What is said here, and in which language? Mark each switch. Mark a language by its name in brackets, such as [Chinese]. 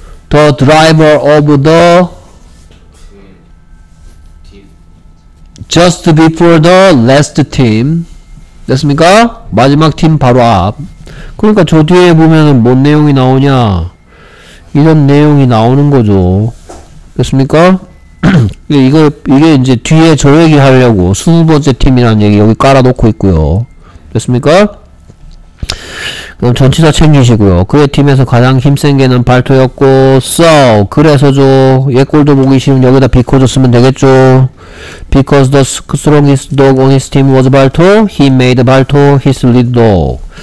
[English] The driver of the just before the last team. [Korean] 됐습니까? 마지막 팀 바로 앞. 그러니까 저 뒤에 보면은 뭔 내용이 나오냐? 이런 내용이 나오는 거죠. 됐습니까? 이게 이제 뒤에 저 얘기 하려고 20번째 팀이라는 얘기 여기 깔아놓고 있고요. 됐습니까? 그럼 전치사 챙기시고요. 그의 팀에서 가장 힘센 게는 발토였고 so 그래서죠. 얘 꼴도 보기 싫으면 여기다 because 쓰면 되겠죠. [English] Because the strongest dog on his team was Balto, he made Balto his lead dog.